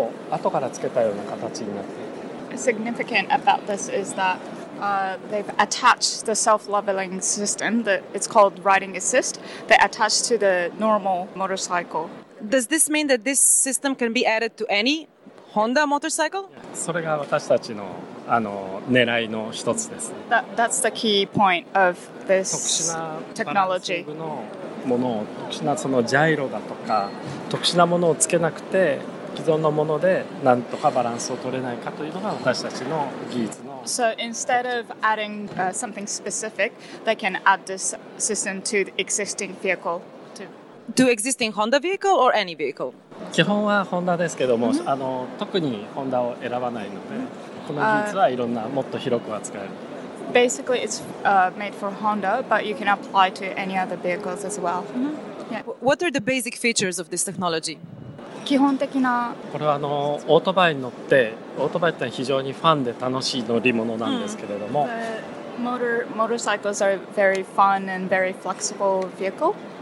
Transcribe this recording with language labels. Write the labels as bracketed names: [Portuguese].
[Japanese] ホンダのライディングアシストの一番の特徴は、普通のオートバイ、今までの普通のオートバイに対して、バランスアシストの機能を後からつけたような形になっている。 [English] Significant about this is that they've attached the self-leveling system that it's called riding assist, they attach to the normal motorcycle. Does this mean that this system can be added to any Honda motorcycle? [Japanese] それが私たちの狙いの一つですね。 [English] That's the key point of this technology. [Japanese] 特殊なバランス部のもの、特殊なそのジャイロだとか、特殊なものをつけなくて既存のものでなんとかバランスを取れないかというのが私たちの技術の。 [English] So instead of adding something specific, they can add this system to the existing vehicle. To existing Honda vehicle or any vehicle? [Japanese] 基本はホンダですけども、 mm-hmm. あの、特にホンダを選ばないので、 この技術はいろんな、もっと広く扱える。 [English] Basically, it's made for Honda, but you can apply to any other vehicles as well. Mm-hmm. Yeah. What are the basic features of this technology? [Japanese] 基本的な… これはオートバイに乗って、オートバイって非常にファンで楽しい乗り物なんですけれども。 Mm-hmm. [English] Motorcycles are very fun and very flexible vehicle.